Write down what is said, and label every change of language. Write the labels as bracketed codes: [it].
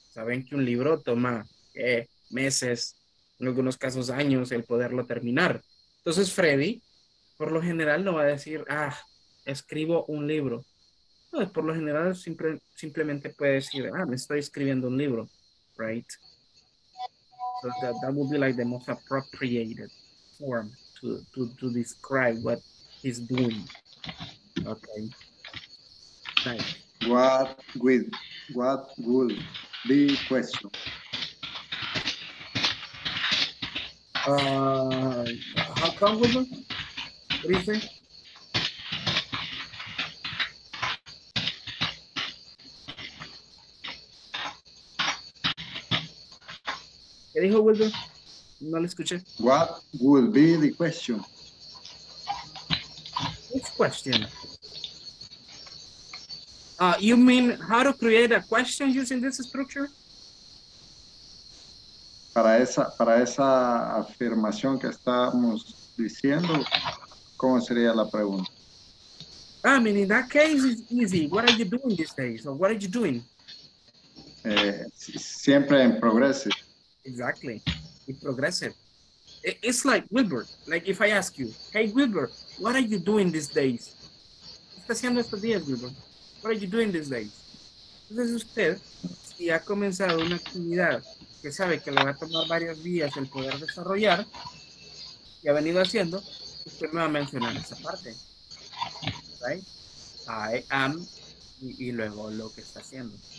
[es] Saben que un libro toma meses, en algunos casos años, el poderlo terminar. Entonces, Freddy, por lo general, no va a decir, ah, escribo un libro. No, por lo general, simplemente puede decir, ah, me estoy escribiendo un libro, [en] right? So that would be like the most appropriated form to describe what he's doing. Okay. Nice. What would be the question? How come, woman? What do you think? [es] ¿Qué dijo, Wilder? No le escuché. [en] What would be the question? Which question? You mean how to create a question using this structure? [es] Para esa afirmación que estábamos diciendo, ¿cómo sería la pregunta? [en] I mean, in that case, it's easy. What are you doing these days? Or what are you doing? [es] Siempre en progressive. [en] Exactly. In progressive. It's like Wilbur. Like if I ask you, hey, Wilbur, what are you doing these days? [es] ¿Qué está haciendo estos días, Wilbur? [en] What are you doing these days? [es] Entonces usted, si ha comenzado una actividad que sabe que le va a tomar varios días el poder desarrollar, y ha venido haciendo, usted me va a mencionar esa parte. [en] Right? I am, [es] y luego lo que está haciendo.